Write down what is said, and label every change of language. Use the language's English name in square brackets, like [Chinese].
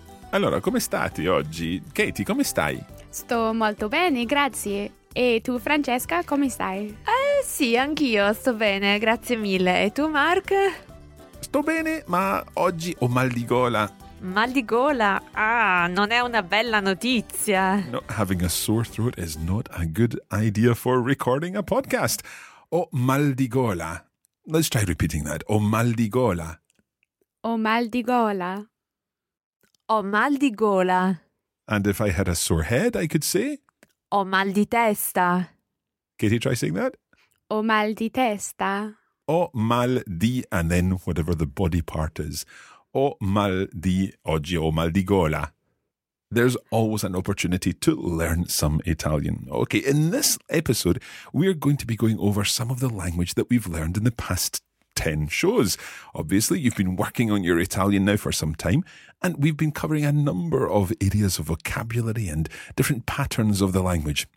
[Italian] Allora, come state oggi? Katie, come stai? Sto molto bene, grazie. E tu, Francesca, come stai? Sì, anch'io sto bene, grazie mille. E tu, Mark? Sto bene, ma oggi ho mal di gola. Mal di gola? Ah, non è una bella notizia. [English] No, having a sore throat is not a good idea for recording a podcast. [Italian] Ho mal di gola. [English] Let's try repeating that. [Italian] Ho mal di gola. Ho mal di gola. Ho mal di gola. [English] And if I had a sore head, I could say? [Italian] Ho mal di testa. [English] Katie, try saying that. [Italian] Ho mal di testa. Ho mal di, [English] and then whatever the body part is. [Italian] Ho mal di, oggi ho mal di gola. [English] There's always an opportunity to learn some Italian. Okay, in this episode, we're going to be going over some of the language that we've learned in the past 10 shows. Obviously, you've been working on your Italian now for some time, and we've been covering a number of areas of vocabulary and different patterns of the language.